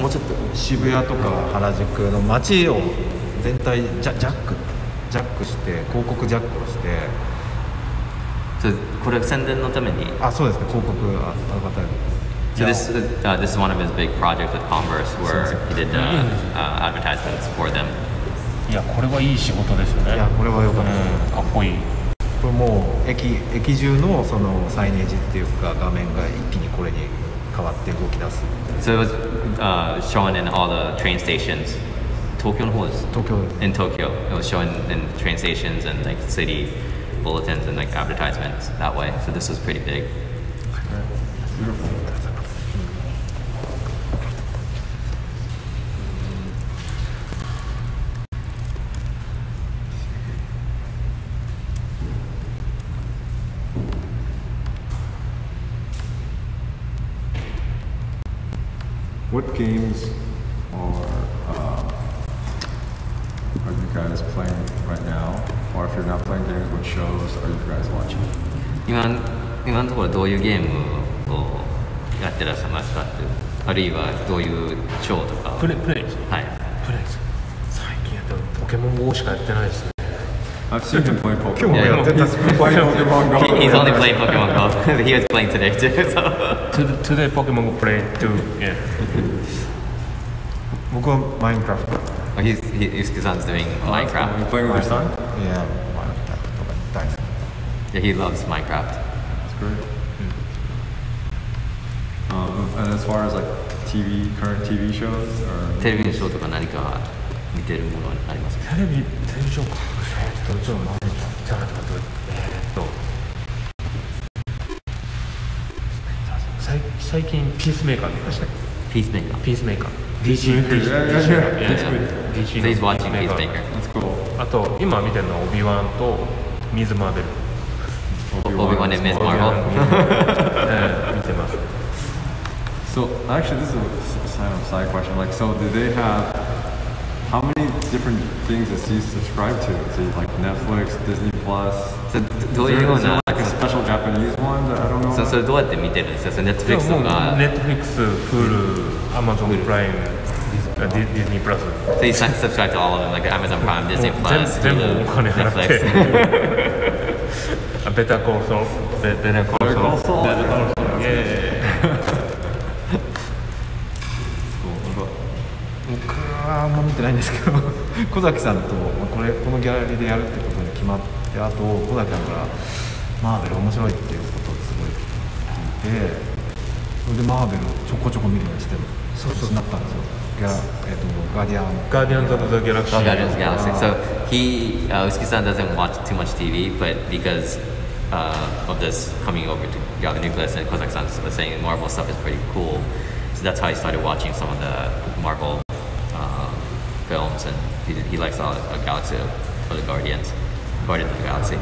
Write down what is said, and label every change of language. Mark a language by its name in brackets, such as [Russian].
[Japanese] もうちょっと渋谷とか原宿の街を全体ジャックして広告ジャックをして、これ宣伝のために、あ、そうですね、広告アドバタイズ。 [English] So this is one of his big projects with Converse where he did the advertisements for them. [Japanese] いや、これはいい仕事ですね。いや、これは良かった。かっこいい。これもう駅中のそのサイネージっていうか画面が一気にこれに変わって動き出す。 [English] So it was shown in all the train stations. [Japanese] Tokyo の方です。 Tokyo。 [English] In Tokyo, it was shown in train stations and like city bulletins and like advertisements that way. So this was pretty big. What games are you guys playing right now? Or if you're not playing games, what shows are you guys watching? [Japanese] 今のところどういうゲームをやってらっしゃいますかって、あるいはどういうショーとか。プレイ。最近やったポケモン GO しかやってないですね。 [English] I've seen him play Pokemon. [Japanese] 今日もやってたっす。 [English] Pokemon GO. He's only playing Pokemon GO. He was playing today too. So. Today, Pokemon will play too. Yeah. [Japanese] 僕は Minecraft. [English] Oh, Yusuke-san's doing Minecraft. You playing with your son? Yeah, Minecraft. Yeah, he loves Minecraft. That's great. And as far as like TV, current TV shows? [Japanese] テレビショーとか何か見てるものありますか？テレビショーか。最近ピースメーカー見ました。 [English] ピPeacemaker. Peacemaker. Please watch Peacemaker. That's cool. [Japanese] あと今見てるのはオビワンとミズマーベル。オビワンでミズマーベル。見てます。 [English] So actually, this is a side question. Like, so do they have how many different things does he subscribe to? Is it like Netflix, Disney Plus? So, do you know that? Like a special Japanese one that I don't know. [Japanese] So, どうやって見てるんですか? Netflix とか [English] Netflix, Hulu, Amazon Prime, Disney Plus. So he subscribe to all of them, like Amazon Prime, Disney Plus, Hulu, Netflix. Better Call Saul. Better Call Saul. Better Call Saul. Yeah. [Japanese] あんま見てないんですけど小崎さんと、まあ、これこのギャラリーでやるってことに決まってあと小崎さんからマーベル面白いっていうことをすごい聞いてそれでマーベルをちょこちょこ見るようにしてそうそうなったんですよギャラ、ガーディアンガーディアンズ・オブ・ザ・ギャラクシー [English] ガーディアンズ・ギャラクシー So he, Ushiki さん doesn't watch too much TV but becauseof this coming over to gallerynucleus and Kozaki さん was saying Marvel stuff is pretty cool so that's how he started watching some of the Marvelfilms and he likes all the galaxy of the Guardians, Guardians of the Galaxy.